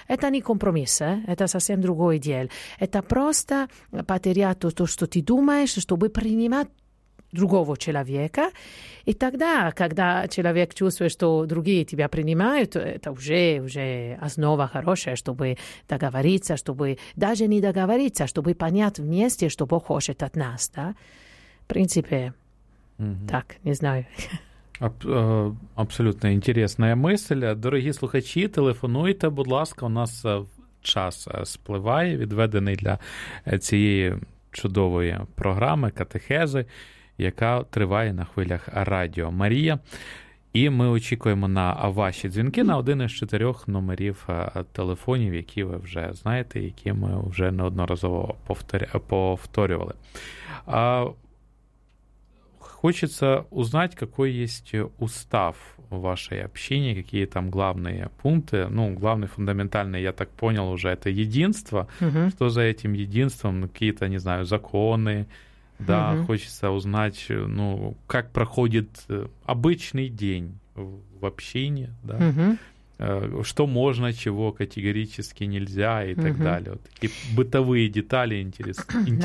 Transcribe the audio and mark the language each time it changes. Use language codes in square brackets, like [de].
[ru] Это не компромисс, это совсем другое дело. Это просто потерять то, что ты думаешь, чтобы принимать другого человека, и тогда, когда человек чувствует, что другие тебя принимают, это уже основа хорошая, чтобы договориться, чтобы даже не договориться, чтобы понять вместе, что Бог хочет от нас, да? В принципе, так, не знаю. Абсолютно интересная мысль. [uk] Дорогі слухачі, телефонуйте, будь ласка, у нас час спливає, відведений для цієї чудової програми катехези, яка триває на хвилях Радіо Марія. І ми очікуємо на ваші дзвінки на один із чотирьох номерів телефонів, які ви вже знаєте, які ми вже неодноразово повторювали. Хочеться узнати, який є устав у вашій общині, які там главні пункти. Ну, главний, фундаментальний, я так поняв, вже це єдинство. Що за цим єдинством? Які-то, не знаю, закони. [ru] Да, хочется узнать, ну, как проходит обычный день в общине, да, что можно, чего категорически нельзя и так далее. Вот такие бытовые детали интересные.